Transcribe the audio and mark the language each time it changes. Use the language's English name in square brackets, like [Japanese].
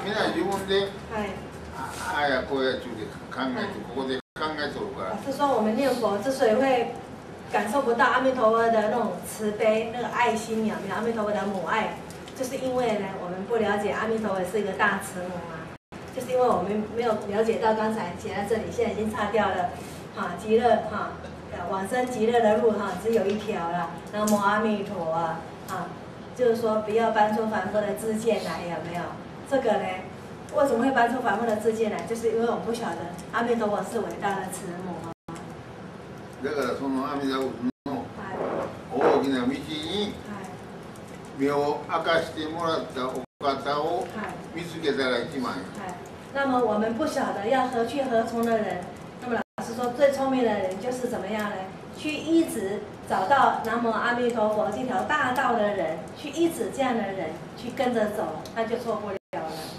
[Japanese] みんな自分で、はい、あやこやちゅうで考えて、ここで考えとるから。 [Chinese] 老师说，我们念佛之所以会感受不到阿弥陀佛的那种慈悲、那个爱心，有没有阿弥陀佛的母爱？就是因为呢，我们不了解阿弥陀佛是一个大慈母啊，就是因为我们没有了解到刚才写在这里，现在已经擦掉了，哈，极乐哈，往生极乐的路哈，只有一条了，南无阿弥陀啊，哈。就是说，不要搬出凡夫的自见来，有没有？这个呢，为什么会搬出凡夫的自见来？就是因为我不晓得阿弥陀佛是伟大的慈母。 [Japanese] だからその阿弥陀佛の大きな道に目を明かしてもらったお方を見つけたら一番。 [Chinese] 那么我们不晓得要何去何从的人，那么老师说最聪明的人就是怎么样呢？去一直找到南无阿弥陀佛这条大道的人，去一直这样的人去跟着走，他就错不了了。